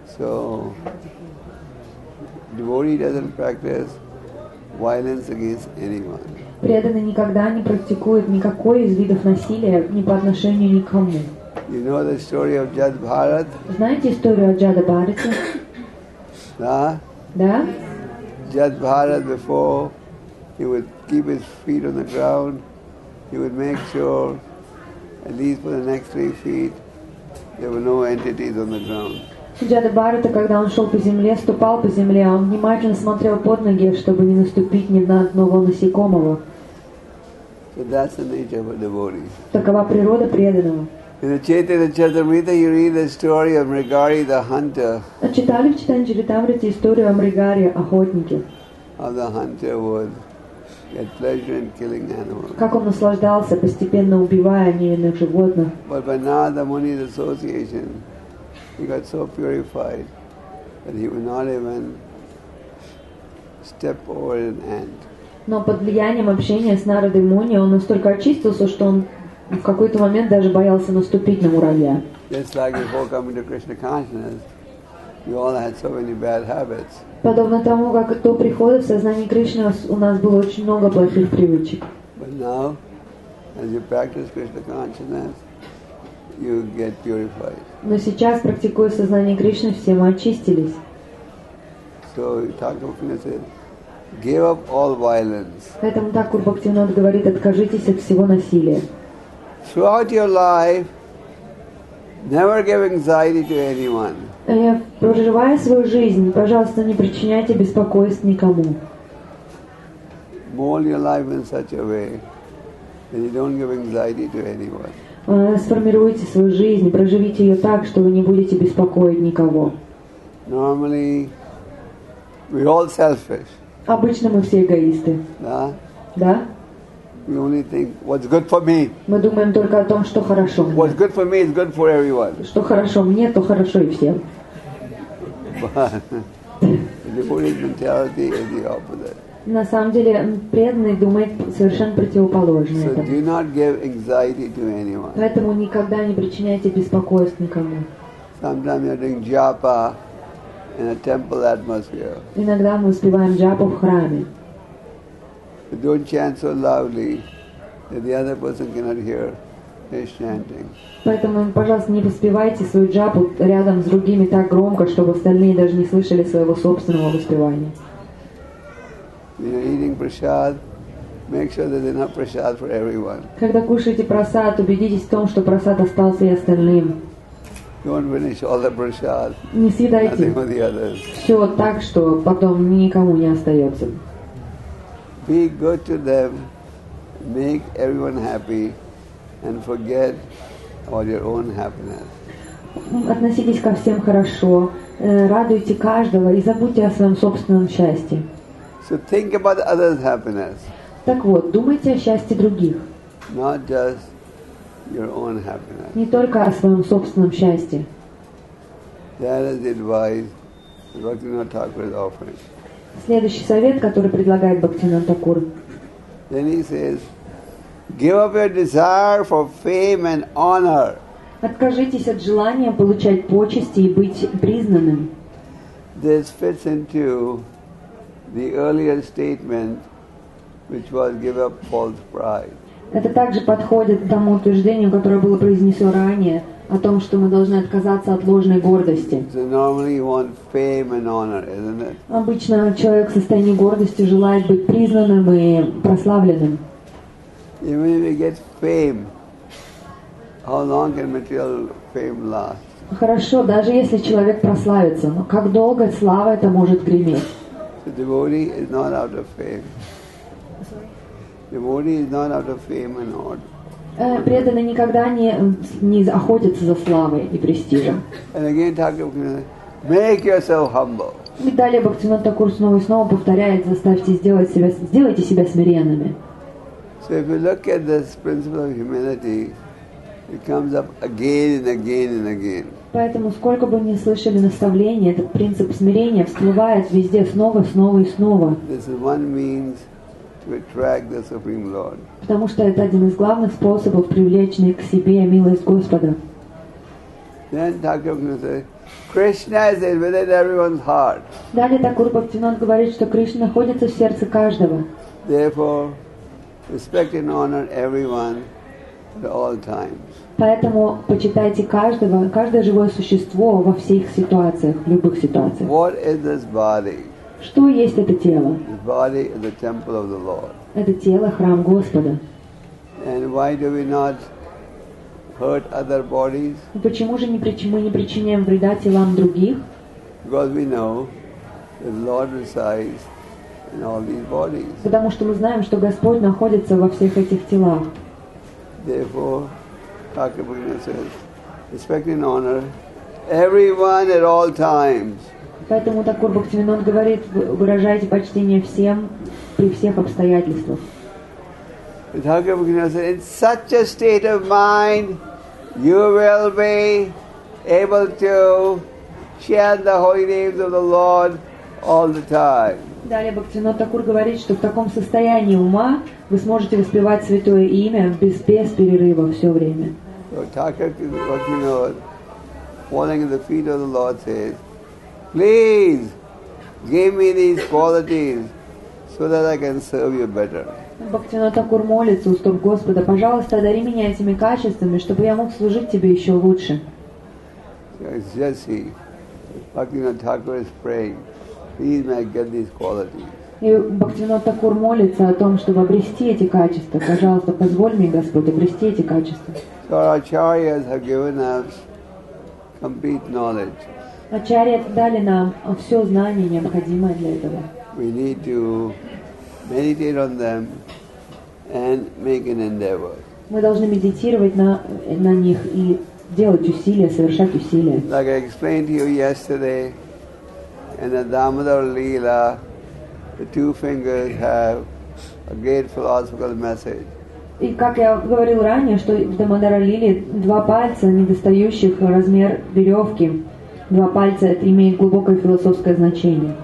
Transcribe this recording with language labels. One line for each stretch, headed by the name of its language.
English: So, devotee doesn't practice violence against anyone.
Russian: Преданный никогда не практикует никакой из видов насилия ни по отношению никому.
English: You know the story of Jad Bharat?
Russian: Знаете историю о Джада Бхарате? Да? Да?
English: Jad Bharat before he would keep his feet on the ground, he would make sure at least for the next 3 feet there were no entities on the ground.
Russian: Джада Бхарата, когда он шел по земле, ступал по земле, он внимательно смотрел под ноги, чтобы не наступить ни на одного насекомого.
English: So that's the nature of a devotee.
Russian: Такова природа преданного.
English: In the Chaitanya Charitamrita, you read the story of Mrigari the hunter.
Russian: Читали в Чайтанья Чаритамрите историю о Мригаре, охотнике.
English: How the hunter would get pleasure in killing animals.
Russian: Как он наслаждался, постепенно убивая невинных животных.
English: But by now the Muni's association, he got so purified that he would not even step over an ant.
Russian: Но под влиянием общения с Нарадой Муни он настолько очистился, что он в какой-то момент даже боялся наступить на муравья.
English: Just like before coming to Krishna consciousness, we all had so many bad habits.
Russian: Подобно тому, как до прихода в сознание Кришны у нас было очень много плохих привычек.
English: But now, as you practice Krishna consciousness, you get purified.
Russian: Но сейчас, практикуя сознание Кришны, все мы очистились.
English: So Thakur Bhaktivinoda says, give up all violence.
Russian: Поэтому Thakur Bhaktivinoda говорит, откажитесь от всего насилия.
English: Throughout your life, never give anxiety to anyone.
Russian: Проживая свою жизнь, пожалуйста, не причиняйте беспокойств никому.
English: Mold your life in such a way and you don't give anxiety to anyone.
Russian: Сформируйте свою жизнь, проживите ее так, что вы не будете беспокоить никого.
English: Normally, we all selfish.
Russian: Обычно мы все эгоисты. Да? Да?
English: We only think what's good for me.
Russian: Мы думаем только о том, что хорошо.
English: What's good for me is good for everyone.
Russian: Что хорошо мне, то хорошо и всем.
English: But the Buddhist mentality is the opposite.
Russian: На самом деле преданный думает совершенно противоположно.
English: So do not give anxiety to anyone.
Russian: Поэтому никогда не причиняйте беспокойств никому.
English: Sometimes you're doing japa in a temple atmosphere.
Russian: Иногда мы успеваем джапу в храме.
English: Don't chant so loudly that the other person cannot hear his chanting.
Russian: Поэтому, пожалуйста, не воспевайте свою джапу рядом с другими так громко, чтобы остальные даже не слышали своего собственного воспевания.
English: When you're eating prasad, make sure that there's enough prasad for everyone.
Russian: Когда кушаете прасад, убедитесь в том, что прасад остался и остальным.
English: Don't finish all the prasad.
Russian: Не съедайте все так, что потом никому не остается.
English: Be good to them, make everyone happy, and forget about your own happiness.
Russian: Относитесь ко всем хорошо, радуйте каждого и забудьте о своем собственном счастье.
English: So think about others' happiness.
Russian: Так вот, думайте о счастье других.
English: Not just your own happiness.
Russian: Не только о своем собственном счастье.
English: That is the advice that Bhaktivinoda Thakur is offering.
Russian: Следующий совет, который предлагает Бхактивинода Такур.
English: Then he says, give up your desire for fame and honor.
Russian: Откажитесь от желания получать почести и быть признанным.
English: This fits into the earlier statement, which was give up false pride.
Russian: Это также подходит к тому утверждению, которое было произнесено ранее, о том, что мы должны отказаться от ложной гордости.
English: So normally you want fame and honor, isn't it?
Russian: Обычно человек в состоянии гордости желает быть признанным и прославленным.
English: Even if you get fame, how long can material fame last?
Russian: Хорошо, даже если человек прославится, но как долго слава эта может греметь?
English: So devotee is not out of fame. Devotee is not out of fame and honor.
Russian: Преданный никогда не охотится за славой и престижем.
English: And again, make yourself humble.
Russian: И далее Бхактивинода Такур снова и снова повторяет, сделайте себя смиренными.
English: So if you look at this principle of humility, it comes up again and again and again.
Russian: Поэтому, сколько бы ни слышали наставления, этот принцип смирения всплывает везде снова, снова и снова.
English: This is one means to attract the Supreme Lord.
Russian: Потому что это один из главных способов привлечь к себе милость Господа.
English: Then Thakur says, Krishna is within everyone's heart.
Russian: Далее Такур Бхактивинода говорит, что Кришна находится в сердце каждого.
English: Therefore, respect and honor everyone at all times.
Russian: Поэтому почитайте каждого, каждое живое существо во всех ситуациях, в любых ситуациях.
English: What is this body?
Russian: Что есть это тело?
English: This body is the temple of the Lord.
Russian: Это тело – храм Господа.
English: And why do we not hurt other bodies?
Russian: Почему же мы не причиняем вреда телам других?
English: Because we know that the Lord resides in all these bodies.
Russian: Потому что мы знаем, что Господь находится во всех этих телах.
English: Therefore, Thakur Bhaktivinoda says, respect and honor everyone at all times.
Russian: Поэтому Такур Бхактивинод говорит, выражайте почтение всем при всех обстоятельствах.
English: Thakur Bhaktivinoda says, in such a state of mind, you will be able to chant the holy names of the Lord all the time.
Russian: Далее Бхактивинода Такур говорит, что в таком состоянии ума вы сможете воспевать святое имя без перерыва все время.
English: So Thakur Bhaktivinoda, falling at the feet of the Lord, says, please give me these qualities so that I can serve you better.
Russian: Бхактивинода Такур молится у стоп Господа, пожалуйста, одари меня этими качествами, чтобы я мог служить тебе еще лучше.
English: Бхактивинода Такур is praying. Please may I get these qualities.
Russian: И Бхактивинода Такур молится о том, чтобы обрести эти качества. Пожалуйста, позволь мне, Господь, обрести эти качества.
English: So our acharyas have given us complete knowledge.
Russian: Ачарьи дали нам все знание, необходимое для этого.
English: We need to meditate on them and make an endeavor.
Russian: Мы должны медитировать на них и делать усилия, совершать усилия.
English: Like I explained to you yesterday, in the Damodara Leela, the two fingers have a great philosophical message.
Russian: И как я говорил ранее, что в Дамодара Лиле два пальца, недостающих размер веревки, два пальца имеют глубокое философское значение.